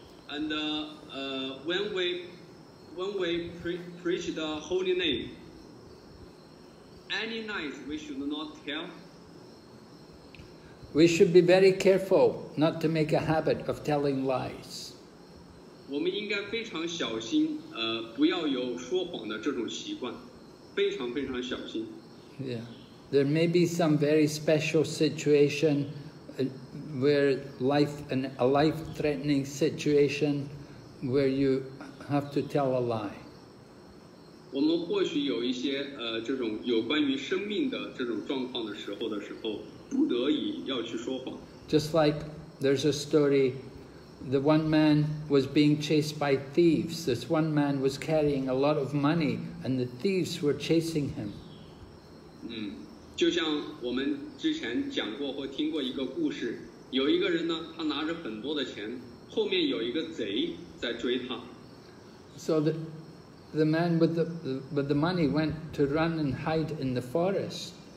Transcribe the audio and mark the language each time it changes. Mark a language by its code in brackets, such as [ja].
[en] And when we preach the holy name, any lies we should not tell? We should be very careful not to make a habit of telling lies. [zh] 我们应该非常小心，不要有说谎的这种习惯，非常非常小心。 [en] Yeah, there may be some very special situation, where a life-threatening situation, where you have to tell a lie. [zh] 我们或许有一些这种有关于生命的这种状况的时候的时候。不得已要去说谎。 [en] Just like there's a story, the one man was being chased by thieves. This one man was carrying a lot of money, and the thieves were chasing him. [zh] 就像我们之前讲过或听过一个故事，有一个人呢，他拿着很多的钱，后面有一个贼在追他。 [en] So the man with the money went to run and hide in the forest.